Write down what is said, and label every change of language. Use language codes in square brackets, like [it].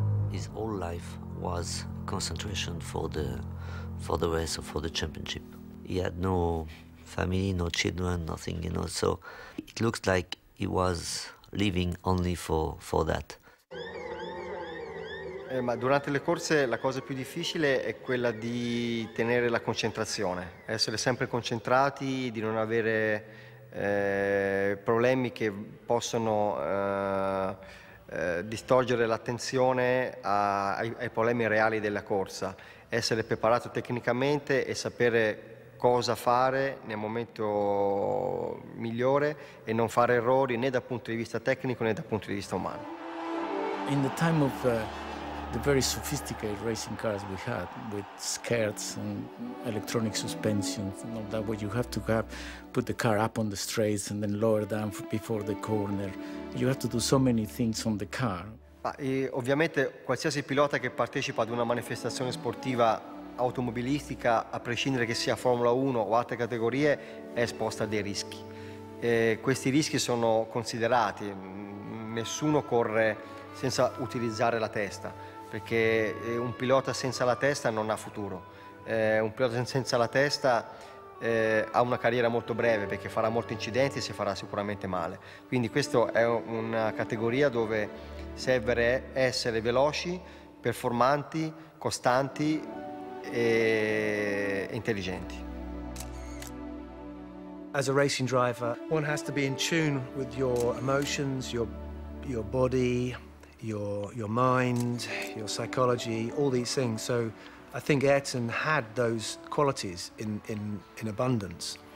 [en] His whole life was concentration for the race or for the championship. He had no family, no children, nothing, you know, so it looks like he was living only for that. [it] Ma durante le corse la cosa più difficile è quella di tenere la concentrazione, essere sempre concentrati, di non avere problemi che possono distorgere l'attenzione ai problemi reali della corsa, essere preparato tecnicamente e sapere cosa fare nel momento migliore e non fare errori né dal punto di vista tecnico né dal punto di vista umano. [en] In the time of the very sophisticated racing cars we had with skirts and electronic suspension and all that, what you have to have, put the car up on the straights and then lower down before the corner. You have to do so many things on the car. [it] Ovviamente qualsiasi pilota che partecipa ad una manifestazione sportiva automobilistica, a prescindere che sia Formula 1 o altre categorie, è esposta a dei rischi. Questi rischi sono considerati. Nessuno corre senza utilizzare la testa, perché un pilota senza la testa non ha futuro. Un pilota senza la testa ha una carriera molto breve, perché farà molti incidenti e si farà sicuramente male. Quindi questa è una categoria dove serve essere veloci, performanti, costanti e intelligenti. [en] As a racing driver, one has to be in tune with your emotions, your body, your mind, your psychology, all these things. So I think Ayrton had those qualities in abundance.